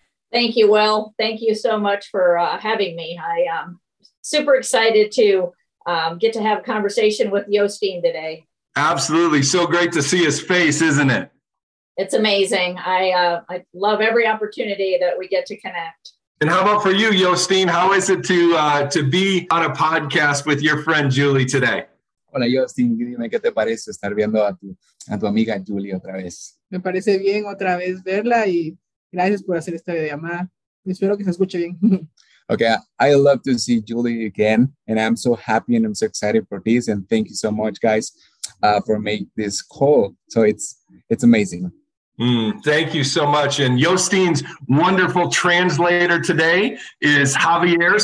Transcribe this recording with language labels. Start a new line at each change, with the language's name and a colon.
English: Thank you, Will. Thank you so much for having me. I am super excited to get to have a conversation with Yostine today. Absolutely. So great to see his face, isn't it? It's amazing. I love every opportunity that we get to connect. And how about for you, Yostine? How is it to be on a podcast with your friend Julie today?
Spanish: Hola, Yostine. Dime qué te parece estar viendo a tu amiga Julie otra vez. Me parece bien otra vez verla y gracias por hacer esta videollamada. Espero que se escuche bien.
English: Okay, I love to see Julie again, and I'm so happy and I'm so excited for this. And thank you so much, guys, for making this call. So it's amazing. Thank you so much. And Yostine's wonderful translator today is Javier.